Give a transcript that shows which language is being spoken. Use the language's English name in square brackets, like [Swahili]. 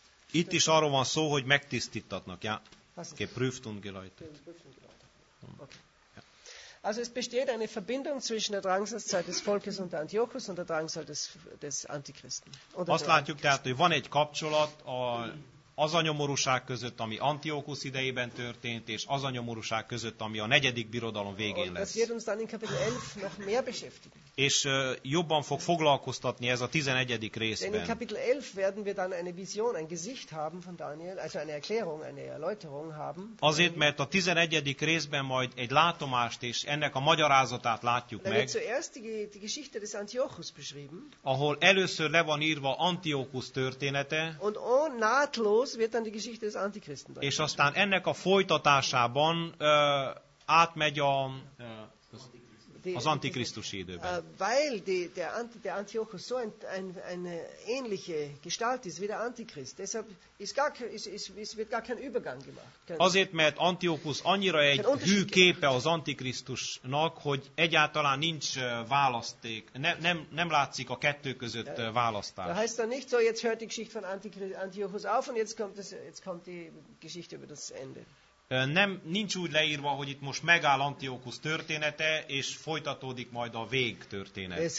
[Hungarian] Itt is arról van szó, hogy megtisztítatnak. [German] Ja. Geprüft und geläutet. Also es besteht eine Verbindung zwischen der Drangsalszeit des Volkes unter Antiochus und der Drangsal des Antichristen. [Hungarian] Azt látjuk tehát, hogy van egy kapcsolat az a nyomorúság között, ami Antiochus idejében történt, és az a nyomorúság között, ami a negyedik birodalom végén lesz. [German] Das wird uns dann in Kapitel 11 noch mehr beschäftigen. [Hungarian] És jobban fog foglalkoztatni ez a 11. részben. [German] Denn in Kapitel 11 werden wir dann eine Vision, ein Gesicht haben von Daniel, also eine Erklärung, eine Erläuterung haben. [Hungarian] Azért, mert a 11. részben majd egy látomást és ennek a magyarázatát látjuk meg. [German] Da wird zuerst die Geschichte des Antiochus beschrieben. [Hungarian] Ahol először le van írva Antiochus története. [German] Und oh, nahtlos wird dann die Geschichte des Antichristen. [Hungarian] És aztán ennek a folytatásában átmegy a... az antikrisztusi időben. [German] Weil der Antiochus so eine ähnliche Gestalt ist wie der Antichrist, deshalb wird gar kein Übergang gemacht. [Hungarian] Azért, mert Antiochus annyira egy hű képe az antikrisztusnak, hogy egyáltalán nincs választék, nem látszik a kettő között választás. [German] Da heißt dann nicht so, jetzt hört die Geschichte von Antiochus auf und jetzt kommt die Geschichte über das Ende. [Hungarian] Nincs úgy leírva, hogy itt most megáll Antiochus története, és folytatódik majd a vég történet.